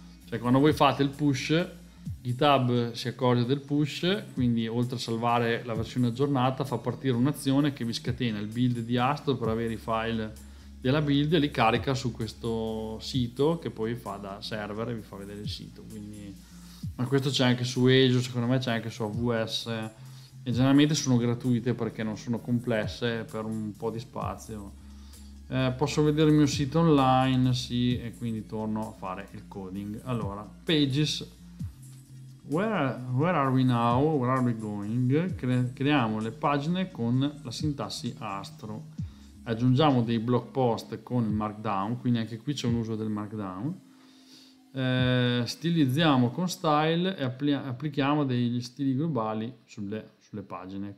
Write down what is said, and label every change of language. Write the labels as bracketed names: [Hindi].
[Italian] Cioè, quando voi fate il push, GitHub si accorge del push, quindi oltre a salvare la versione aggiornata fa partire un'azione che vi scatena il build di Astro per avere i file della build e li carica su questo sito, che poi fa da server e vi fa vedere il sito. Quindi, ma questo c'è anche su Azure, secondo me c'è anche su AWS, e generalmente sono gratuite perché non sono complesse per un po' di spazio. Posso vedere il mio sito online, sì, e quindi torno a fare il coding. Allora, [English] pages, where are we now, where are we going? [Italian] Creiamo le pagine con la sintassi Astro, aggiungiamo dei blog post con il markdown, quindi anche qui c'è un uso del markdown, stilizziamo con style e applichiamo degli stili globali sulle pagine.